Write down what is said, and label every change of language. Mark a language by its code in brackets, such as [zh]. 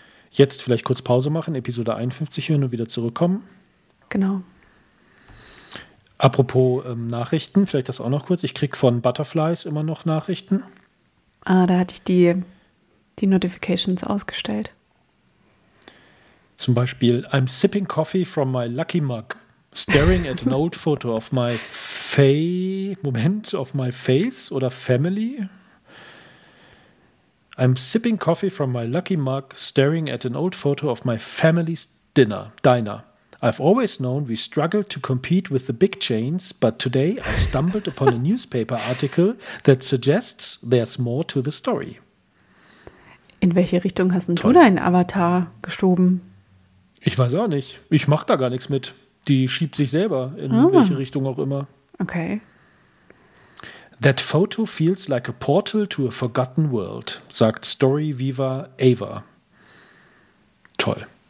[de] Jetzt vielleicht kurz Pause machen, Episode 51 hören und wieder zurückkommen. Genau. Apropos Nachrichten, vielleicht das auch noch kurz. Ich kriege von Butterflies immer noch Nachrichten. Ah, da hatte ich die Notifications ausgestellt. Zum Beispiel, [en] I'm sipping coffee from my lucky mug. Staring at an old photo of my Moment of my face [de] oder [en] family. I'm sipping coffee from my lucky mug, staring at an old photo of my family's diner. I've always known we struggled to compete with the big chains, but today I stumbled upon a newspaper article that suggests there's more to the story. [de] In welche Richtung hast denn du deinen Avatar geschoben? Ich weiß auch nicht. Ich mach da gar nichts mit. Die schiebt sich selber in welche Richtung auch immer. Okay. [en] That photo feels like a portal to a forgotten world, [de] sagt [en] Story Viva Ava. [de] Toll.